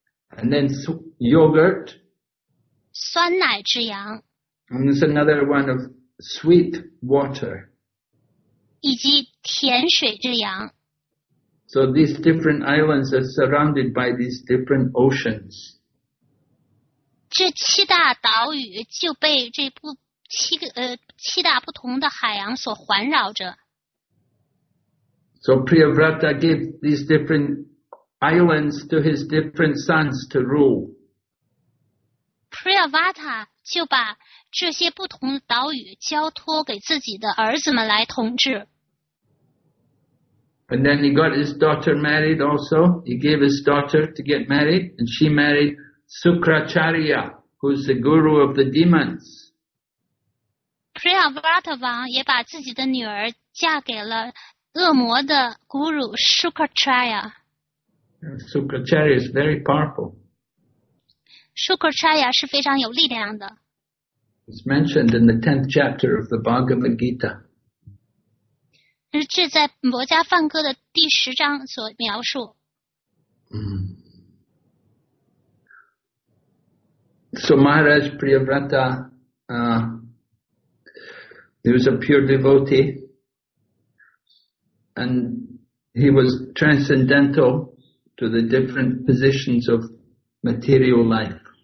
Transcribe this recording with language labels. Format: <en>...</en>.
<en>And then yogurt.</en> <zh>酸奶之洋。</zh> <en>And there's another one of sweet water.</en> <zh>以及甜水之洋。</zh> <en>So these different islands are surrounded by these different oceans.</en> <zh>这七大岛屿就被这七大不同的海洋所环绕着。</zh> <en>So Priyavrata gave these different islands to his different sons to rule.</en> <zh>Priyavrata 就把这些不同的岛屿交托给自己的儿子们来统治。</zh> <en>And then he got his daughter married also. He gave his daughter to get married, and she married Sukracharya, who's the guru of the demons.</en> <zh>Priyavrata 王也把自己的女儿嫁给了恶魔的 guru Sukracharya.</zh> <en>Sukracharya is very powerful.</en> <zh>Sukracharya 是非常有力量的。</zh> <en>It's mentioned in the 10th chapter of the Bhagavad Gita.</en> <zh>这在摩迦梵歌的第十章所描述。</zh> <en>So Maharaj Priyavrata, he was a pure devotee, and he was transcendental to the different positions of material life.</en>